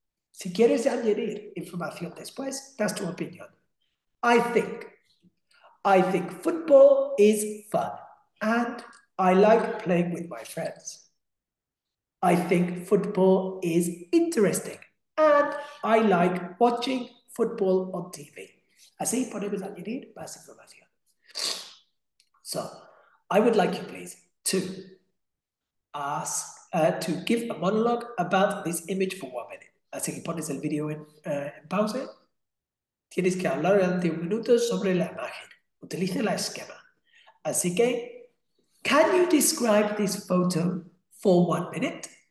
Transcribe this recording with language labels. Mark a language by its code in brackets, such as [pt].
[es] Si quieres añadir información después, das tu opinión. [en] I think football is fun and I like playing with my friends. I think football is interesting and I like watching football on TV. [es] Así podemos añadir más información. [en] So, I would like you please to ask to give a monologue about this image for 1 minute. [es] Así que pones el video en pausa. Tienes que hablar durante 1 minuto sobre la imagen. Utilice la esquema. Así que, [en] can you describe this photo for 1 minute?